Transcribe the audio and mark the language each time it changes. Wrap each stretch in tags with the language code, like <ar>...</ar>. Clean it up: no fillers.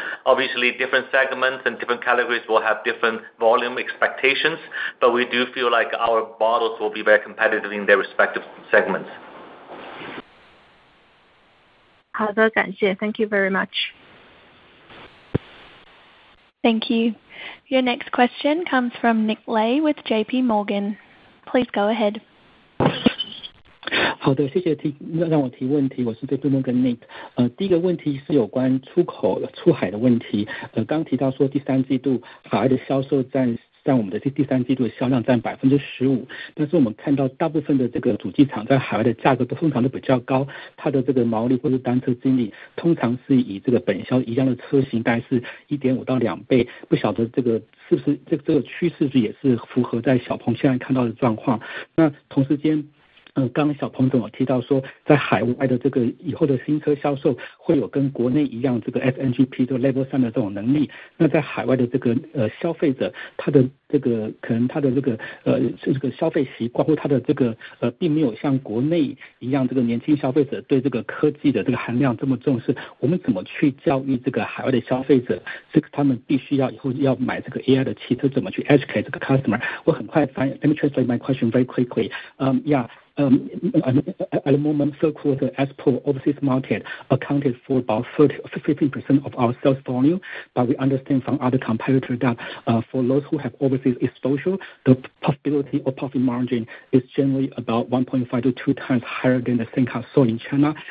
<en>Obviously, different segments and different categories will have different volume expectations, but we do feel like our models will be very competitive in their respective segments.</en> <zh>好的，感谢.</zh> <en>Thank you very much. Thank you. Your next question comes from Nick Lay with JP Morgan. Please go ahead.</en> <zh>好的，谢谢提让我提问题，我是菲菲摩根 Nick。第一个问题是有关出口出海的问题。刚提到说第三季度海外的销售占。在我们的第三季度的销量占15%，但是我们看到大部分的这个主机厂在海外的价格都通常都比较高，它的这个毛利或是单车经理通常是以这个本销一样的车型大概是 1.5到2倍，不晓得这个是不是这个趋势也是符合在小鹏现在看到的状况。那同时间刚小鹏总有提到说在海外的这个以后的新车销售会有跟国内一样这个 SNGP 的 Level 3的这种能力，那在海外的这个消费者他的这个可能他的这个这个消费习惯或他的这个并没有像国内一样这个年轻消费者对这个科技的这个含量这么重视，我们怎么去教育这个海外的消费者这个他们必须要以后要买这个 AI 的汽车，怎么去 educate 这个 customer。我很快翻译</zh> <en>Let me translate my question very quickly. At the moment, third quarter export overseas market accounted for about 15% of our sales volume, but we understand from other competitors that for those who have overseas exposure, the profitability or profit margin is generally about 1.5 to 2 times higher than the same car sold in China.</en>